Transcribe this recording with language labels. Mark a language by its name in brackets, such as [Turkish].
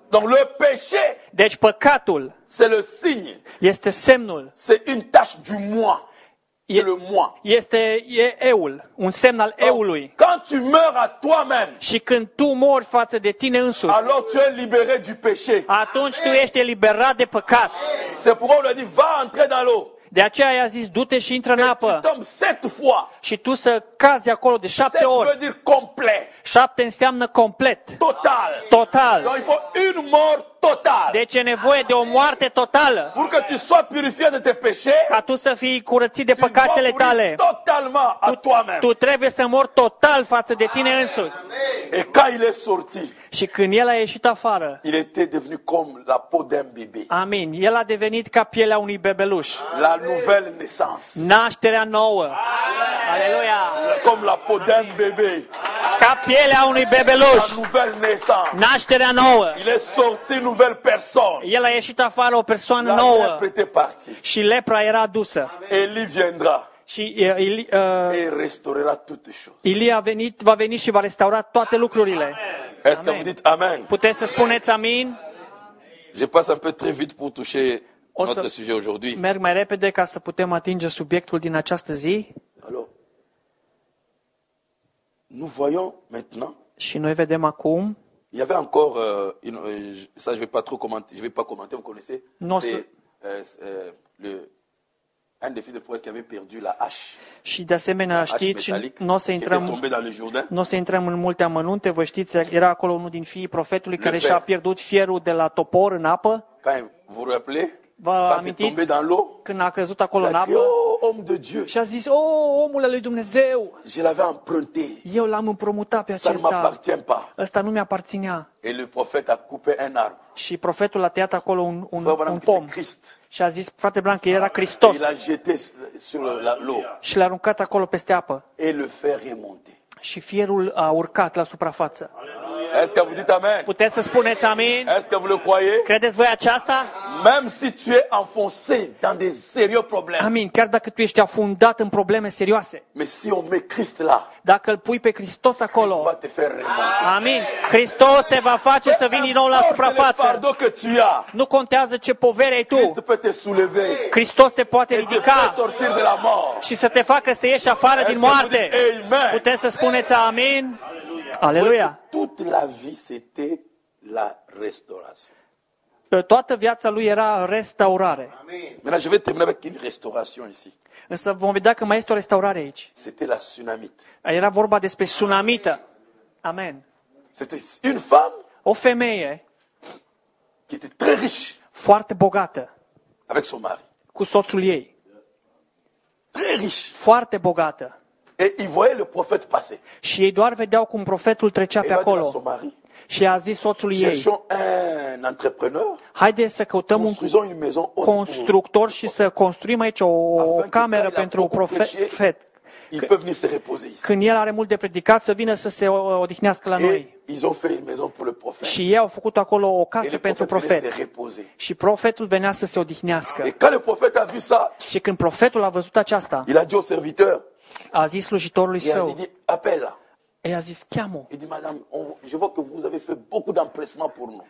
[French] Donc le péché. [Romanian] Deci păcatul. [French] C'est le signe. [Romanian] Este semnul. [French] C'est une tache du moi. C'est le moi. [Romanian] E eul, un semn al eului. [French] Quand tu meurs à toi-même. [Romanian] Și când tu mori față de tine însuți. [French] Alors tu es libéré du péché. [Romanian] Atunci tu ești eliberat de păcat. [French] C'est pour ça qu'on lui a dit va entrer dans l'eau. [Romanian] De aceea i-a zis du-te și intră în apă. [French] Tu tombes 7 fois. [Romanian] Și tu să cazi acolo de 7 ori. [French] Ça veut dire complet. [Romanian] 7 înseamnă complet. [French] Total. [Romanian] Total. [French] Donc il faut une mort totale. [Romanian] Deci e nevoie de o moarte totală. [French] Pour que tu sois purifié de tes péchés. [Romanian] Ca tu să fii curățit de păcatele tale. [French] Totalement à toi-même. [Romanian] Tu trebuie să mori total față de tine însuți. [French] Et quand il est sorti. [Romanian] Și când el a ieșit afară. [French] Il était devenu comme la peau d'un bébé. [Romanian] Amin. El a devenit ca pielea unui bebeluș. [French] La nouvelle naissance. [Romanian] Nașterea nouă. Aleluia. [French] Comme la peau d'un bébé. [Romanian] Ca pielea unui bebeluș. [French] La nouvelle naissance. [Romanian] Nașterea nouă. [French] Il est sorti une nouvelle personne. [Romanian] El a ieșit afară o persoană la nouă. [French] La lepră était partie. [Romanian] Și lepra era dusă. [French] Eli viendra. [Romanian] Și [French] et restaurera toutes choses. [Romanian] Ilie a venit, va veni și va restaura toate lucrurile. [French] Est-ce que vous dites amen? [Romanian] Puteți să spuneți amin? [French] Je passe un peu très vite pour toucher notre sujet aujourd'hui. [Romanian] Merg mai repede ca să putem atinge subiectul din această zi. [French] Alors, nous voyons maintenant. [Romanian] Și noi vedem acum. [French] Il y avait encore ça je vais pas trop commenter, je vais pas commenter, vous connaissez. Non, c'est le un des fils de Proverbe qui avait perdu la hache. [Romanian] Și de asemenea, știți, nu o să intrăm, în multe amănunte, vă știți, era acolo unul din fiii profetului care și-a pierdut fierul de la topor în apă. [French] Quand vous rappelez, [Romanian] vă amintiți? [French] Tombé dans l'eau, [Romanian] când a căzut acolo în apă. [French] Oh, om de Dieu. [Romanian] Și a zis, oh, omule lui Dumnezeu. [French] Je l'avais emprunté. [Romanian] Eu l-am împrumutat pe acesta. [French] Ça ne m'appartient pas. [Romanian] Ăsta nu mi-aparținea. [French] Et le prophète a coupé un arbre. [Romanian] Și profetul a tăiat acolo un un pom. Christ. Și a zis, frate Blanc, era Hristos. [French] Il l'a jeté sur l'eau. [Romanian] Și l-a aruncat acolo peste apă. [French] Et le fer est monté. [Romanian] Și fierul a urcat la suprafață. [French] Est-ce que vous dites amen? [Romanian] Puteți să spuneți amin? [French] Est-ce que vous le croyez? [Romanian] Credeți voi aceasta? [French] Même si tu es enfoncé dans des sérieux problèmes. [Romanian] Amin, chiar dacă tu ești afundat în probleme serioase. [French] Mais si on met Christ là. [Romanian] Dacă îl pui pe Hristos acolo. [French] Christ va te faire remonter. [Romanian] Amin. Hristos te va face să vii din nou la suprafață. [French] Fardeau que tu as. [Romanian] Nu contează ce povere ai tu. [French] Christ peut te soulever. [Romanian] Hristos te poate ridica. [French] Et te fait sortir de la mort. [Romanian] Și să te facă să ieși afară din moarte. Amen. Puteți să spuneți amin? Aleluia. [French] Toute la vie c'était la restauration. [Romanian] Toată viața lui era restaurare. Amen. [French] Mais je vais terminer avec une restauration ici. [Romanian] Însă vom vedea că mai este o restaurare aici. [French] C'était la tsunamite. [Romanian] Era vorba despre tsunamită. Amen. [French] C'était une femme. [Romanian] O femeie. [French] Qui était très riche. [Romanian] Foarte bogată. [French] Avec son mari. [Romanian] Cu soțul ei. [French] Très riche. [Romanian] Foarte bogată. [French] Et il voyait le prophète passer. [Romanian] Și ei doar vedeau cum profetul trecea pe acolo. Și a zis soțul ei. [French] Cherchons un entrepreneur. [Romanian] Haideți să căutăm un constructor și să construim aici o cameră pentru profet. [French] Il peut venir se reposer ici. [Romanian] Când el are mult de predicat, să vină să se odihnească la noi. [French] Ils ont fait une maison pour le prophète. [Romanian] Și ei au făcut acolo o casă pentru profet. Și profetul venea să se odihnească. [French] Et quand le prophète a vu ça. [Romanian] Și când profetul a văzut aceasta. [French] Il a dit au serviteur. [Romanian] A zis slujitorului său. [French] Il a dit appelle là. [Romanian] Et a zis cheamă. [French] Et dit madame, je vois que vous avez fait beaucoup d'empressement pour nous.